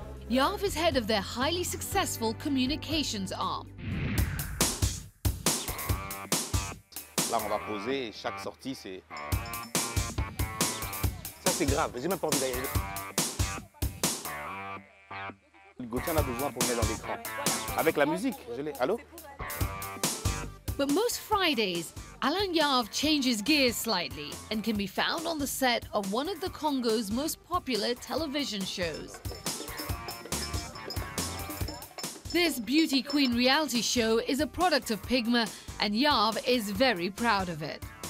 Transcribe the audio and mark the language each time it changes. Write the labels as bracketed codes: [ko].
[en] Yav is head of their highly successful communications arm. [fr] Là, on va poser et chaque sortie, c'est... Ça, c'est grave, j'ai même pas envie d'aller. Gauthier en a besoin pour venir dans l'écran. Avec la musique, je l'ai. Allô? [en] But most Fridays, Alain Yav changes gears slightly and can be found on the set of one of the Congo's most popular television shows. This beauty queen reality show is a product of PYGMA and Yav is very proud of it.